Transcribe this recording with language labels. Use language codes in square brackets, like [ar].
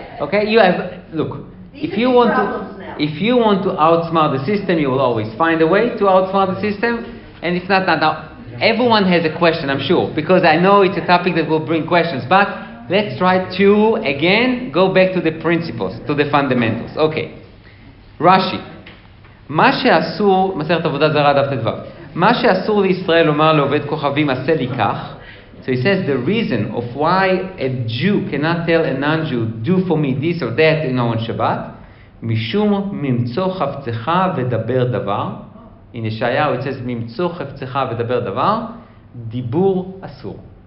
[en] Okay, you have, look, if you want to outsmart the system, you will always find a way to outsmart the system, and if not, now, everyone has a question, I'm sure, because I know it's a topic that will bring questions, but let's try to, again, go back to the principles, to the fundamentals. Okay. Rashi. [he] מה שאסור, מסכת עבודה זרה דף ט"ו. מה שאסור לישראל לומר לעובד כוכבים, עשה לי כך. [en] So he says, the reason of why a Jew cannot tell a non-Jew, do for me this or that in on Shabbat, [he] משום ממצוא חפצך ודבר דבר. [en] In Yeshayahu, it says, [he] ממצוא חפצך ודבר דבר. דיבור אסור.